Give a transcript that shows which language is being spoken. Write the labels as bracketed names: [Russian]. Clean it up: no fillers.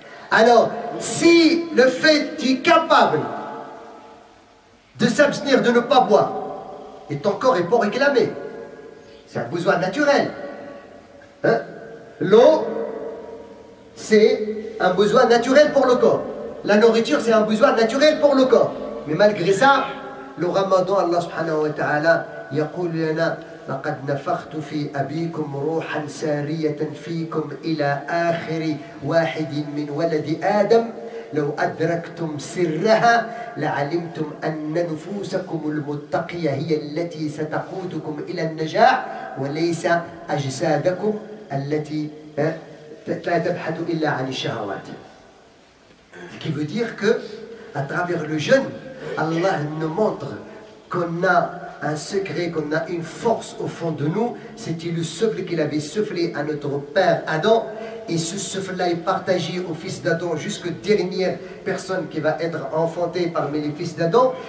[French] Alors, si le fait tu es capable de s'abstenir, de ne pas boire, et ton corps n'est pas réclamé, c'est un besoin naturel. Hein? L'eau, c'est un besoin naturel pour le corps. La nourriture, c'est un besoin naturel pour le corps. Mais malgré ça, le ramadan, Allah subhanahu wa ta'ala, il y [Arabic] a لقد نفخت في أبيكم روحا سارية فيكم إلى آخر واحد من ولد آدم لو أدركتم سرها لعلمتم أن نفوسكم المتقية هي التي ستقودكم إلى النجاة وليس أجسادكم التي لا تبحث إلا عن الشهوات. [French] Qui veut dire que à travers le jeûne, Allah nous montre qu'on a un secret, qu'on a une force au fond de nous. C'était le souffle qu'il avait soufflé à notre père Adam, et ce souffle-là est partagé au fils d'Adam jusqu'à la dernière personne qui va être enfantée parmi les fils d'Adam.